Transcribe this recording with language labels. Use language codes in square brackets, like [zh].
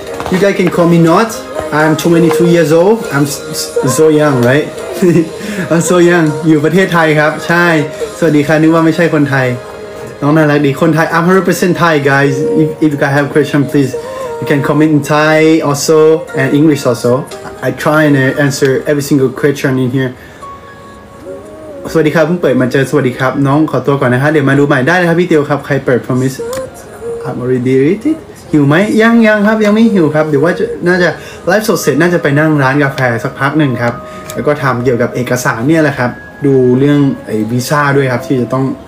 [en] You guys can call me Not I'm 22 years old I'm so young right I'm so young [th] อยู่ประเทศไทยครับใช่สวัสดีค่ะนึกว่าไม่ใช่คนไทยน้องน่ารักดีคนไทย [en] I'm 100% Thai guys if you guys have question please you can comment in Thai also and English also I try and answer every single question in here [th] สวัสดีครับเพิ่งเปิดมาเจอสวัสดีครับน้องขอตัวก่อนนะฮะเดี๋ยวมาดูใหม่ได้นะครับพี่เตียวครับใครเปิด promise [en] I'm already deleted [th] หิวไหมยังครับยังไม่หิวครับเดี๋ยวว่าน่าจะไลฟ์สดเสร็จน่าจะไปนั่งร้านกาแฟสักพักนึงครับแล้วก็ทำเกี่ยวกับเอกสารเนี่ยแหละครับดูเรื่องไอ้วีซ่าด้วยครับที่จะต้อง